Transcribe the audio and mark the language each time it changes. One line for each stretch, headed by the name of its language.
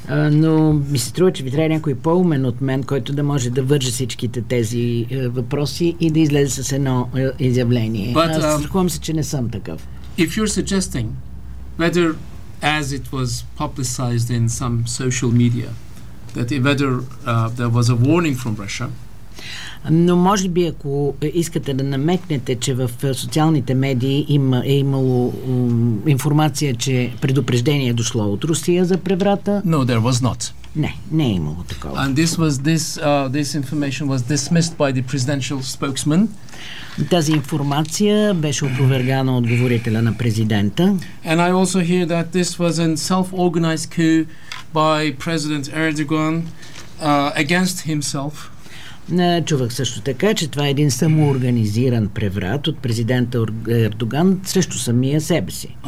Bulgarian: Но ми се струва, че ви трябва някой по-умен от мен, който да може да върже всичките тези въпроси и да излезе с едно изявление.
English: But,
Bulgarian: страхувам се, че не съм такъв.
English: If you're suggesting whether, as it was publicized in some social media, that whether there was a warning from Russia.
Bulgarian: Но може би, ако искате да намекнете, че в социалните медии е имало информация, че предупреждение е дошло от Русия за преврата.
English: No, there was not.
Bulgarian: Не е имало такова.
English: And this information was dismissed by the presidential spokesman.
Bulgarian: Тази информация беше опровергана от говорителя на президента.
English: And I also hear that this was a self-organized coup by President Erdogan against himself.
Bulgarian: Чувах също така, че това е един самоорганизиран преврат от президента Ердоган срещу самия себе си.